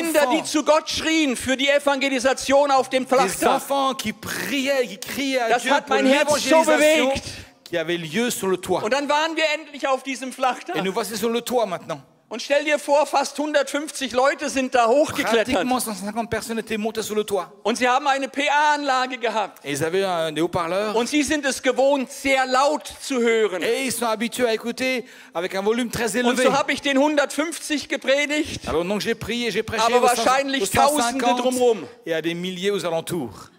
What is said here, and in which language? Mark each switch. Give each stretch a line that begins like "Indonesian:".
German: Kinder, die zu Gott schrien für die Evangelisation auf dem Flachdach.
French: Des enfants qui priaient, qui criaient à Dieu.
German: Das hat mein Herz so bewegt.
French: Qui avait lieu sur le toit.
German: Und dann waren wir endlich auf diesem Flachdach.
French: Et nous voici sur le toit maintenant.
German: Und stell dir vor, fast 150 Leute sind da hochgeklettert.
French: Pratiquement 150 personnes étaient montées sur le toit.
German: Und sie haben eine PA-Anlage gehabt.
French: Et ils avaient des haut-parleurs.
German: Und sie sind es gewohnt, sehr laut zu hören.
French: Et ils sont habitués à écouter avec un volume très élevé.
German: Und so habe ich den 150 gepredigt.
French: Alors donc j'ai prié, j'ai prêché.
German: Aber wahrscheinlich Tausende drumherum.
French: Et à des milliers aux alentours.